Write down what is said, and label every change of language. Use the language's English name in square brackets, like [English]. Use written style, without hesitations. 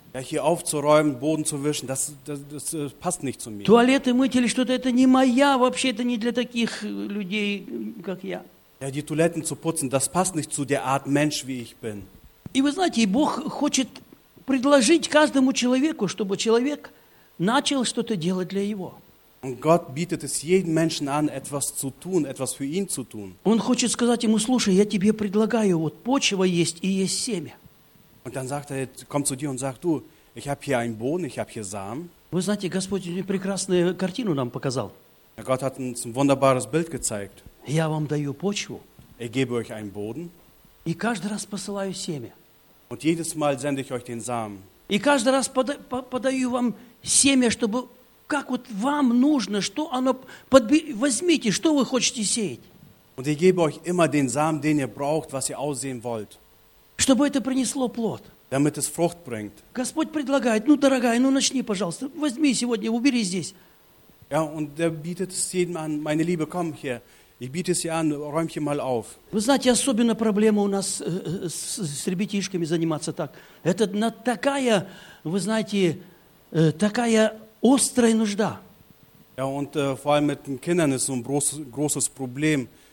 [German] Ja, hier aufzuräumen, Boden zu wischen, das passt nicht zu mir. [Russian] Туалеты мыть или что-то, это не моя, вообще это не для таких людей, как я. [German] Ja, die Toiletten zu putzen, das passt nicht zu der Art Mensch, wie ich bin. [Russian] И вы знаете, Бог хочет предложить каждому человеку, чтобы человек начал что-то делать для его. [German] Und Gott bietet es jedem Menschen an, etwas zu tun, etwas für ihn zu tun. [Russian] Он хочет сказать ему, слушай, я тебе предлагаю, вот почва есть и есть семя. [German] Und dann sagt er, komm zu dir und sagt, du, ich habe hier einen Boden, ich habe hier Samen. [Russian] Вы знаете, Господь мне прекрасную картину нам показал. [German] Gott hat uns ein wunderbares Bild gezeigt. [Russian] Я вам даю почву. [German] Ich gebe euch einen Boden. [Russian] И каждый раз посылаю семя. [German] Und jedes Mal sende ich euch den Samen. [Russian] И каждый раз подаю вам семя, чтобы... Как вот вам нужно, что оно возьмите, что вы хотите сеять? [German] Und ich gebe euch immer den Samen, den ihr braucht, was ihr aussehen wollt. [Russian] Чтобы это принесло плод. [German] Damit es Frucht bringt. [Russian] Господь предлагает, ну, дорогая, ну, начни, пожалуйста, возьми сегодня, убери здесь. [German] Ja, und er bietet es jedem an, meine Liebe, komm hier, ich biete es dir an, räum hier mal auf. [Russian] Вы знаете, особенно проблема у нас с ребятишками заниматься так. Это такая, вы знаете, такая... Острая нужда. [German] Ja, und vor allem mit den Kindern ist so ein großes Problem.